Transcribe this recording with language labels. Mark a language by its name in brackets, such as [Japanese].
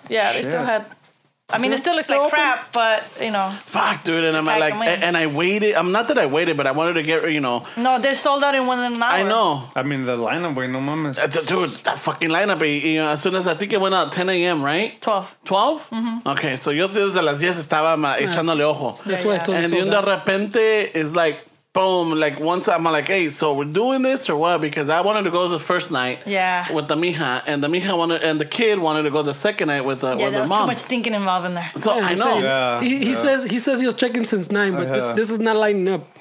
[English] Yeah, they still had. I mean, it still looks like crap, but, you know. Fuck, dude. And I'm like, and I waited. I'm not that I waited, but I wanted to get, you know. No, they're sold out in 1 hour. I know. I mean, the lineup, wait, [Spanish] no mames. [English] Dude, that fucking lineup, you know, as soon as I think it went out, 10 a.m., right? 12. 12? Mm-hmm. Okay, so [Spanish] yo desde las 10 estaba echándole ojo. [English] That's why I told you. And then [Spanish] de repente, [English] it's like, boom, like once I'm like, hey, so we're doing this or what? Because I wanted to go the first night with the mija, and the mija wanted, and the kid wanted to go the second night with yeah, with there the was mom. Too much thinking involved in there. So I know. He says he was checking since 9, but this is not lining up.